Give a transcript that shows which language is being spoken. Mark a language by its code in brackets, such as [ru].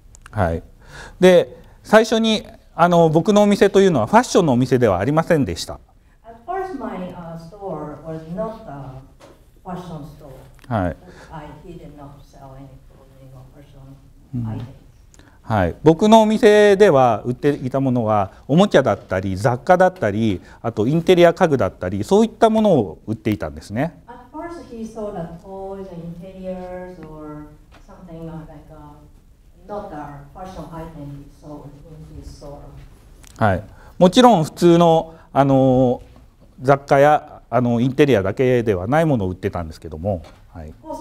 [ja] はい。で、最初に僕のお店というのはファッションのお店ではありませんでした。 [en] At first, my store was not a fashion store. [ja] はい。 [en] I did not sell any clothing or fashion items. [ja] はい、僕のお店では売っていたものはおもちゃだったり雑貨だったり、あとインテリア家具だったり、そういったものを売っていたんですね。はい、もちろん普通の雑貨やインテリアだけではないものを売ってたんですけども、はい。